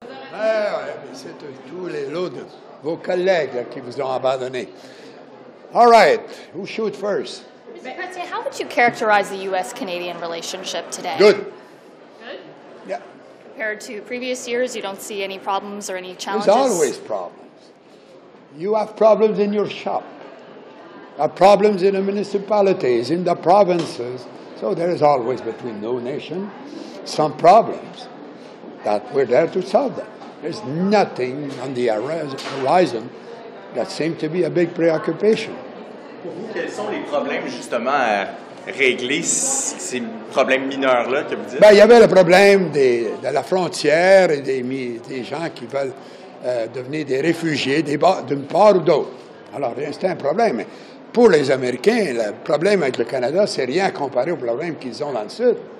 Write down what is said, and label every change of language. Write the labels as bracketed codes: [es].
[fr] c'est tous les lots de vos collègues qui vous ont abandonné. [en] All right, who shoot first? Mr. Petit, how would you characterize the U.S.-Canadian relationship today? Good. Good? Yeah. Compared to previous years, you don't see any problems or any challenges? There's always problems. You have problems in your shop. Are problems in the municipalities, in the provinces. So there is always, between no nation, some problems that we're there to solve them. There's nothing on the horizon that seems to be a big preoccupation. [fr] Quels sont les problèmes, justement, à régler, ces problèmes mineurs-là que vous dites? Ben, il y avait le problème de la frontière et des gens qui veulent devenir des réfugiés d'une part ou d'autre. Alors, c'est un problème. Pour les Américains, le problème avec le Canada, c'est rien comparé au problème qu'ils ont dans le Sud.